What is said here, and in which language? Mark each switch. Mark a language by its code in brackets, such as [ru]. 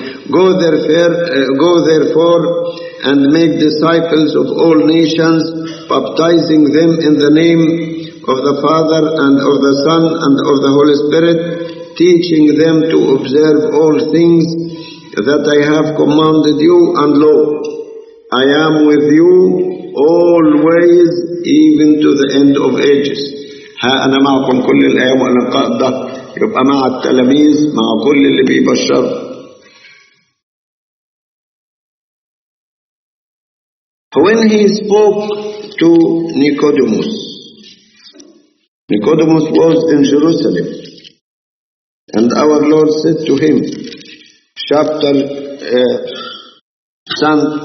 [en] Go therefore and make disciples of all nations, baptizing them in the name of the Father and of the Son and of the Holy Spirit, teaching them to observe all things that I have commanded you, and lo, I am with you always, even to the end of ages. [ar] أنا معكم كل الأيام والنقاء ده يبقى مع التلاميذ مع كل اللي بيبشر. [en] When he spoke to Nicodemus, Nicodemus was in Jerusalem, and our Lord said to him, chapter St.